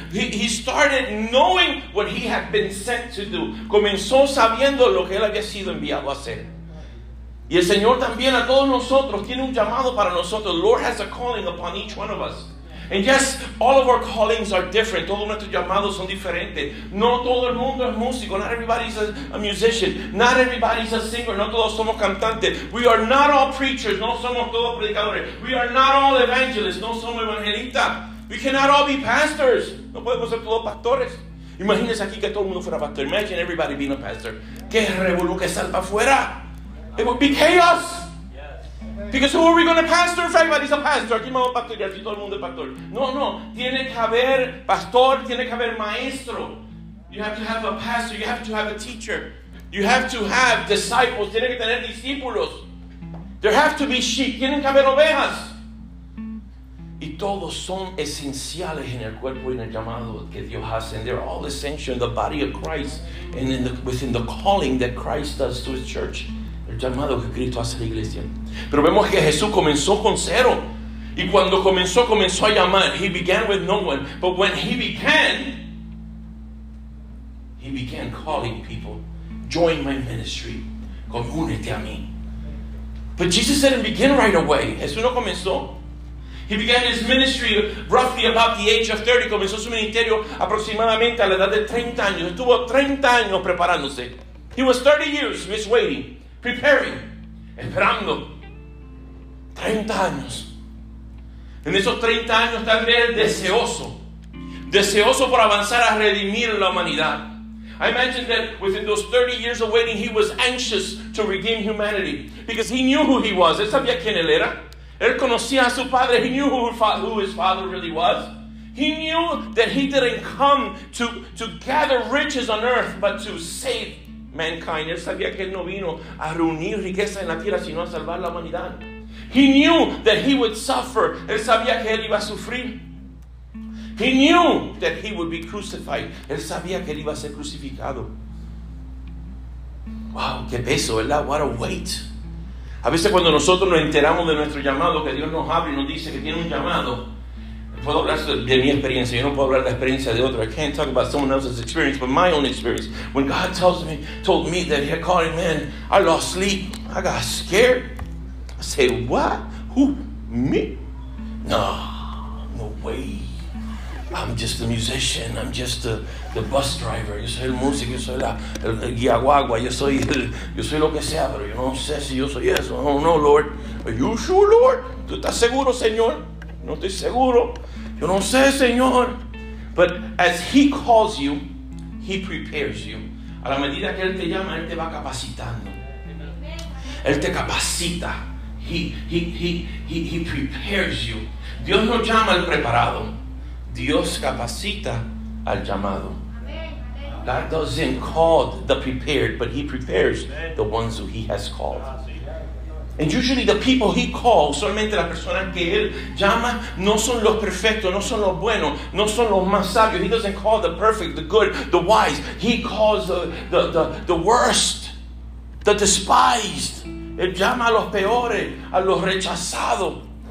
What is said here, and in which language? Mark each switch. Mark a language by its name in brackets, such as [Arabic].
[English] He started knowing what he had been sent to do. [Spanish] Comenzó sabiendo lo que él había sido enviado a hacer. Y el Señor también a todos nosotros tiene un llamado para nosotros. [English] The Lord has a calling upon each one of us. And yes, all of our callings are different. [Spanish] Todos nuestros llamados son diferentes. No todo el mundo es músico. [English] Not everybody's a musician. Not everybody's a singer. [Spanish] No todos somos cantantes. [English] We are not all preachers. [Spanish] No somos todos predicadores. [English] We are not all evangelists. [Spanish] No somos evangelistas. [English] We cannot all be pastors. [Spanish] No podemos ser todos pastores. Imagínense aquí que todo el mundo fuera pastor. [English] Imagine everybody being a pastor. [Spanish] Que revolucionario salva afuera. [English] It would be chaos. Because who are we going to pastor if everybody's a pastor? [Spanish] Aquí vamos a pastorear, aquí todo el mundo es pastor. No. Tiene que haber pastor, tiene que haber maestro. [English] You have to have a pastor, you have to have a teacher. You have to have disciples, [Spanish] tiene que tener discípulos. [English] There have to be sheep, [Spanish] tienen que haber ovejas. Y todos son esenciales en el cuerpo y en el llamado que Dios hace. [English] And they're all essential in the body of Christ and within the calling that Christ does to his church. [Spanish] El llamado que Cristo hace a la iglesia. Pero vemos que Jesús comenzó con cero. Y cuando comenzó, comenzó a llamar. [English] He began with no one. But when he began calling people. join my ministry. [Spanish] Únete a mí. [English] But Jesus didn't begin right away. [Spanish] Jesús no comenzó. [English] He began his ministry roughly about the age of 30. [Spanish] Comenzó su ministerio aproximadamente a la edad de 30 años. Estuvo 30 años preparándose. [English] He was 30 years just waiting, preparing, [Spanish] esperando. 30 años. En esos 30 años tal vez deseoso. Deseoso por avanzar a redimir la humanidad. [English] I imagine that within those 30 years of waiting, he was anxious to redeem humanity. Because he knew who he was. [Spanish] Él sabía quién él era. Él conocía a su padre. [English] He knew who his father really was. He knew that he didn't come to gather riches on earth, but to save mankind. [Spanish] Él sabía que él no vino a reunir riqueza en la tierra, sino a salvar la humanidad. [English] He knew that he would suffer. [Spanish] Él sabía que él iba a sufrir. [English] He knew that he would be crucified. [Spanish] Él sabía que él iba a ser crucificado. Wow, qué peso, ¿verdad? [English] What a weight. [Spanish] A veces cuando nosotros nos enteramos de nuestro llamado, que Dios nos habla y nos dice que tiene un llamado, puedo hablar de mi experiencia, yo no puedo hablar de la experiencia de otro. [English] I can't talk about someone else's experience, but my own experience. When God told me that he had called me, man, I lost sleep. I got scared. I said, what? Who? Me? No, no way. I'm just a musician. I'm just the bus driver. [Spanish] Yo soy el músico. Yo soy el guía guagua. Yo soy lo que sea. Pero yo no sé si yo soy eso. [English] I don't know, Lord. Are you sure, Lord? [Spanish] ¿Tú estás seguro, Señor? No estoy seguro. Yo no sé, Señor. [English] But as he calls you, he prepares you. [Spanish] A la medida que él te llama, él te va capacitando. Él te capacita. [English] He prepares you. [Spanish] Dios no llama al preparado. Dios capacita al llamado. [English] God doesn't call the prepared, but he prepares the ones who he has called. And usually the people he calls, [Spanish] solamente las personas que él llama, no son los perfectos, no son los buenos, no son los más sabios. [English] He doesn't call the perfect, the good, the wise. He calls the worst, the despised. [Spanish] Él llama a los peores, a los rechazados.